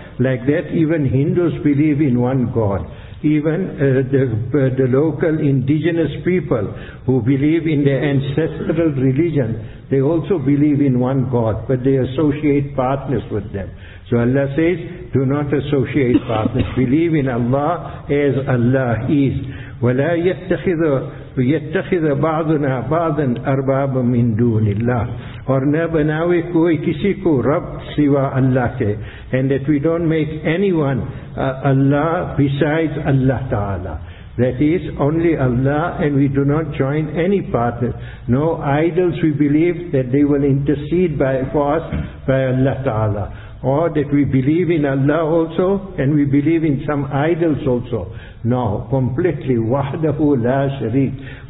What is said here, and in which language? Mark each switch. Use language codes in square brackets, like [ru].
[en] Like that, even Hindus believe in one God. Even the local indigenous people who believe in their ancestral religion, they also believe in one God, but they associate partners with them. So Allah says, do not associate partners. Believe in Allah as Allah is. [ar] وَلَا يَتَّخِذُ وَيَتَّخِذَ بَعْضُنَا بَعْضًا أَرْبَابًا مِنْ دُونِ اللَّهِ, [ur] اور نہ بناوے کوئی کسی کو رب سوا اللہ کے, [en] and that we don't make anyone Allah besides Allah Ta'ala. That is only Allah, and we do not join any partner. No idols we believe that they will intercede for us by Allah Ta'ala. Or that we believe in Allah also, and we believe in some idols also. No, completely, wahdahu la sharik.